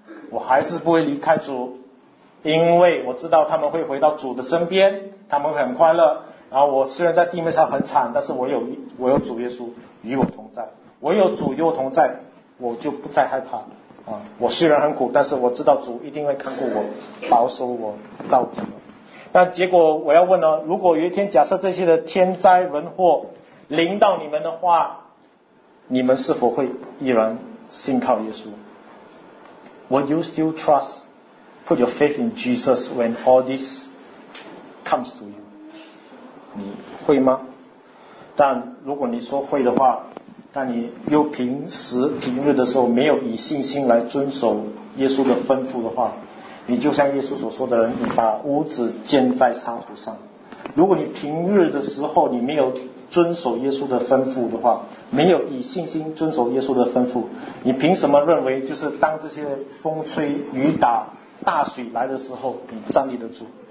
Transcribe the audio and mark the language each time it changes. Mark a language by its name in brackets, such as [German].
[Chinese] 我还是不会离开主，因为我知道他们会回到主的身边，他们会很快乐，然后我虽然在地面上很惨，但是我有主耶稣与我同在，我有主与我同在，我就不再害怕我虽然很苦，但是我知道主一定会看顾我，保守我到底。那结果我要问如果有一天假设这些的天灾人祸临到你们的话，你们是否会依然信靠耶稣？ [English] Would you still trust, put your faith in Jesus when all this comes to you? [Chinese] 你会吗？但如果你说会的话，但你又平时平日的时候没有以信心来遵守耶稣的吩咐的话，你就像耶稣所说的人，你把屋子建在沙土上。如果你平日的时候你没有遵守耶稣的吩咐的话，没有以信心遵守耶稣的吩咐，你凭什么认为就是当这些风吹雨打大水来的时候你站立得住？